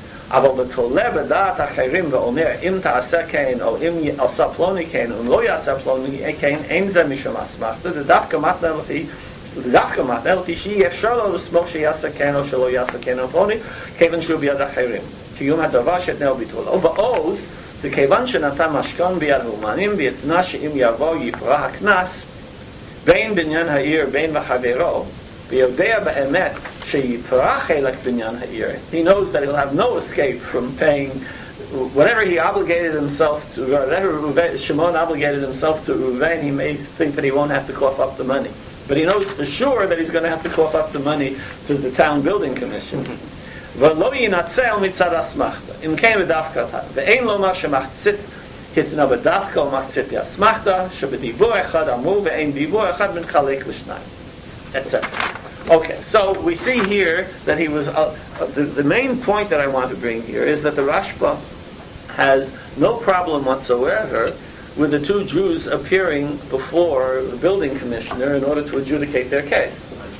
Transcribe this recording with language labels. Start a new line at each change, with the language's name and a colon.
Hebrew: אבל בתולה בדעת אחרים ואומר, אם תעשה כן, או אם עשה פלוני כן, או לא יעשה פלוני כן, אין זה משום אסמכתא, דווקא מתנה לפי שאי אפשר לו לסמוך שיעשה כן, או שלא יעשה כן, או פלוני, כיוון שהוא ביד אחרים. קיום הדבר שתנאו ביטולו. ועוד, זה כיוון שנתן משכון ביד מאומנים, ויתנה שאם יבוא יפרע הכנס, בין בניין העיר, בין וחברו, ויודע באמת שיפרע חלק בניין העיר.
English: He knows that he'll have no escape from paying whatever he obligated himself to, whatever Shimon obligated himself to Reuven, he may think that he won't have to cough up the money. But he knows for sure that he's going to have to cough up the money to the town building commission.
Hebrew: ולא ינצל מצד אסמכתא, אם כן בדווקא אתה, ואין לומר שמחצית התנה בדווקא או מחצית אסמכתא, שבדיבור אחד אמרו ואין דיבור אחד מתחלק לשניים.
English: Etc. Okay, so we see here that he was the main point that I want to bring here is that the Rashba has no problem whatsoever with the two Jews appearing before the building commissioner in order to adjudicate their case.